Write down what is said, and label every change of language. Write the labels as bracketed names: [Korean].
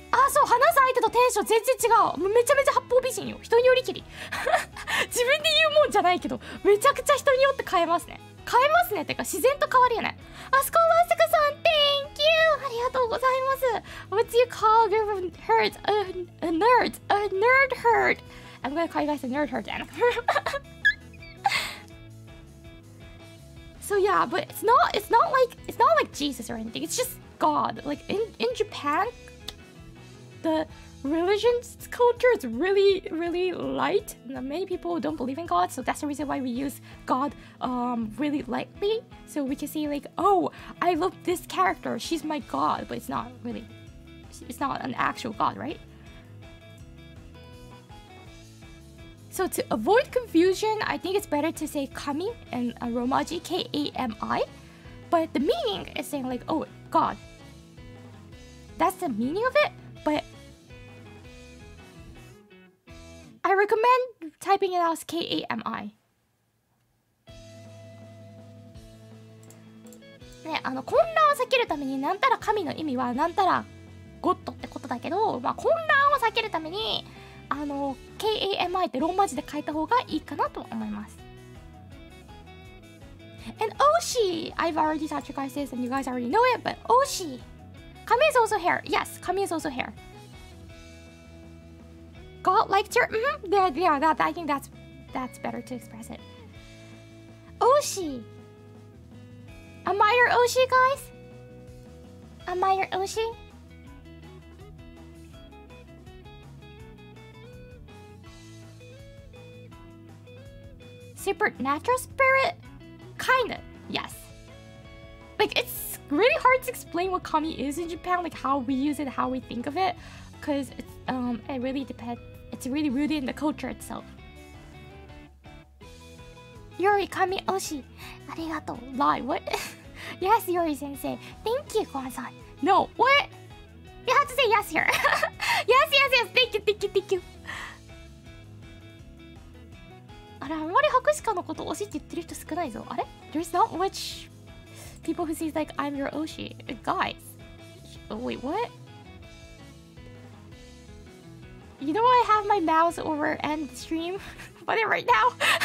[Japanese] そう、話す相手とテンション全然違う。めちゃめちゃ八方美人よ。人によりきり。自分で言うもんじゃないけど、めちゃくちゃ人によって変えますね。変えますねってか、自然と変わるよね。 [English] アスコマスクさん、Thank you! [Japanese] ありがとうございます。 [English] What's you call your herd? A nerd? A nerd herd? I'm gonna call you guys a nerd herd then. So yeah, but it's not like Jesus or anything. It's just God. Like in Japan, the religion's culture is really, really light. Many people don't believe in God, so that's the reason why we use God really lightly. So we can say like, oh, I love this character. She's my God. But it's not an actual God, right? So to avoid confusion, I think it's better to say kami in romaji, K-A-M-I. But the meaning is saying like, oh, God. That's the meaning of it, but I recommend typing it out as K-A-M-I. [Japanese] ね、あの混乱を避けるためになんたら神の意味はなんたらゴッドってことだけど、まあ、混乱を避けるためにあの K-A-M-I ってローマ字で書いた方がいいかなと思います。 [English] And Oshi! I've already taught you guys this and you guys already know it, but Oshi! Kami is also hair. Yes, Kami is also hair. God liked her? Mm-hmm. I think that's better to express it. Oshi! Am I your Oshi, guys? Am I your Oshi? Supernatural spirit? Kinda, yes. Like, it's really hard to explain what kami is in Japan, like how we use it, how we think of it, because it really depends. It's really rooted in the culture itself. Yori kami oshi. Arigato. Lie, what? Yes, Yori sensei. Thank you, Kwan-san. No, what? You have to say yes here. Yes, yes, yes. Thank you. [Japanese] あれ、あんまり博士課のこと推しって言ってる人少ないぞ。 [English] あれ ?There's not much people who say like I'm your 推し Guys. Wait, what? You know I have my mouse over and stream but it right now.